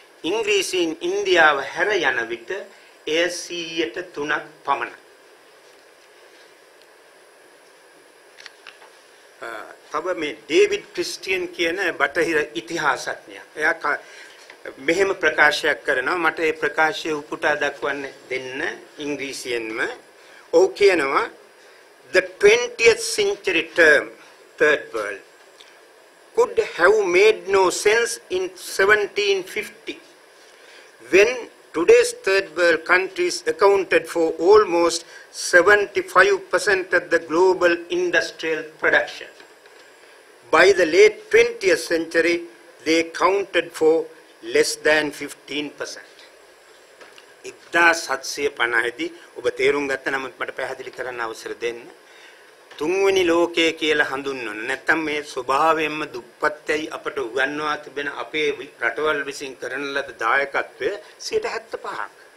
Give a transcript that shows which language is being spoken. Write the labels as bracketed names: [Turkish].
[Sinhala] ඉංග්‍රීසීන් ඉන්දියාව හැර යන විට එය 3%ක් පමණ. තව මේ ඩේවිඩ් ක්‍රිස්ටියන් කියන බටහිර ඉතිහාසඥයා, එයා මෙහෙම ප්‍රකාශයක් කරනවා. මට ඒ ප්‍රකාශය උපුටා දක්වන්න දෙන්න ඉංග්‍රීසියෙන්ම. ඔහු කියනවා, [English] the 20th century term third world could have made no sense in 1750 when today's third world countries accounted for almost 75% of the global industrial production. By the late 20th century, they counted for less than 15%. [Sinhala] 1750 දී ඔබ තේරුම් ගත්ත, නමුත් මට පැහැදිලි කරන්න අවසර දෙන්න, තුන්වෙනි ලෝකය කියලා හඳුන්වන නැත්නම් මේ ස්වභාවයෙන්ම දුප්පත්යි අපට උගන්වා තිබෙන අපේ රටවල් විසින් කරන ලද දායකත්වය 75%ක්.